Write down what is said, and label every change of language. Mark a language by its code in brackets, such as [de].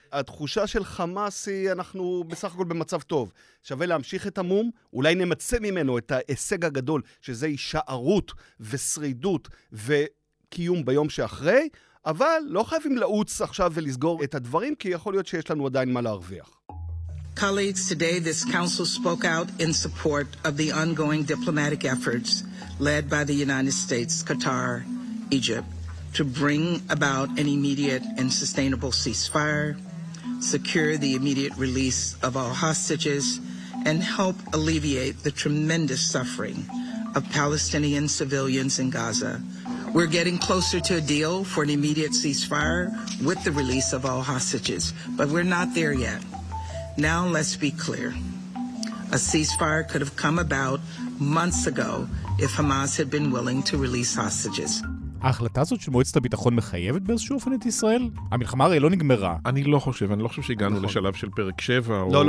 [he] התחושה של חמאס היא אנחנו בסך הכל במצב טוב. שווה להמשיך את המום, אולי נמצא ממנו את ההישג הגדול, שזה הישארות ושרידות וקיום ביום שאחרי, אבל לא חייבים לעוץ עכשיו ולסגור את הדברים, כי יכול להיות שיש לנו עדיין מה להרוויח. [en] Colleagues, today this council spoke out in support of the ongoing diplomatic efforts led by the United States, Qatar, Egypt to bring about an immediate and sustainable ceasefire, secure the immediate release of all hostages, and help alleviate the tremendous suffering of Palestinian civilians in Gaza. We're getting closer to a deal for an immediate ceasefire with the release of all hostages, but we're not there yet. Now let's be clear. A ceasefire could have come about months ago if Hamas had been willing to release hostages. [he] ההחלטה הזאת של מועצת הביטחון מחייבת באיזשהו אופן את ישראל? המלחמה הרי לא נגמרה. אני לא חושב, אני לא חושב שהגענו נכון. לשלב של פרק 7.